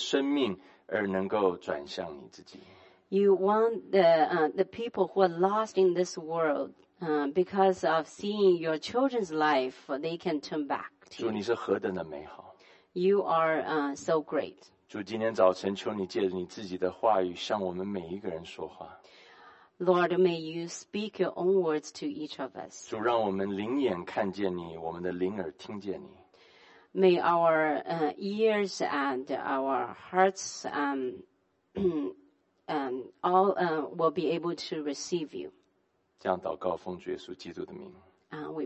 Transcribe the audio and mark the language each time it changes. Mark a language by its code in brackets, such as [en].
[zh] 你要让这世上迷失的人，因为看见你儿女的生命，而能够转向你自己。 [en] You want the people who are lost in this world, because of seeing your children's life, they can turn back to you. [zh] 主，你是何等的美好！ [en] You are so great. [zh] 主，今天早晨求你借着你自己的话语，向我们每一个人说话。 [en] Lord, may you speak your own words to each of us. [zh] 主，让我们灵眼看见你，我们的灵耳听见你。 [en] May our ears and our hearts will be able to receive you. [zh] 这样祷告，奉主耶稣基督的名。 [en] We